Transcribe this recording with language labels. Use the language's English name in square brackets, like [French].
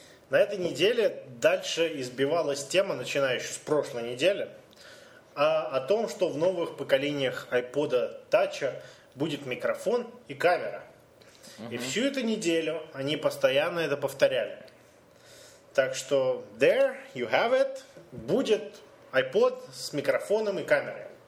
[Russian] На этой неделе дальше избивалась тема, начиная еще с прошлой недели, о том, что в новых поколениях iPod Touch будет микрофон и камера. Угу. И всю эту неделю они постоянно это повторяли. Так что [English] there you have it. [Russian] Будет iPod с микрофоном и камерой.